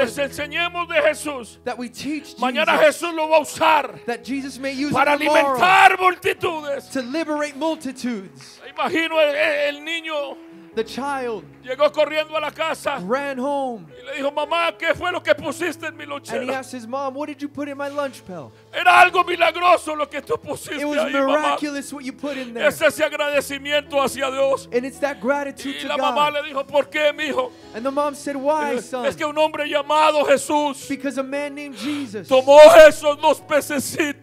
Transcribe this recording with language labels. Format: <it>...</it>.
<es>Que les enseñemos de Jesús.</es> <en>That we teach Jesus.</en> <es>Mañana Jesús lo va a usar.</es> <en>That Jesus may use</en> <es>para alimentar multitudes.</es> <en>To liberate multitudes.</en> <es>Imagino el niño.</es> <en>The child</en> <es>llegó corriendo a la casa,</es> <en>ran home</en> <es>y le dijo, mamá, ¿qué fue lo que pusiste en mi lonchera?</es> <en>And he asked his mom, what did you put in my lunch pail?</en> <es>Era algo milagroso lo que tú pusiste ahí,</es> <en>mamá. It was miraculous</en> <es>mamá.</es> <en>What you put in there.</en> <es>Es ese agradecimiento hacia Dios.</es> <en>And it's that gratitude to God.</en> <es>Y la mamá le dijo, ¿por qué, mijo?</es> <en>And the mom said, why, son?</en> <es>Es que un hombre llamado Jesús,</es> <en>because a man named Jesus,</en> <es>tomó esos dos pececitos,</es>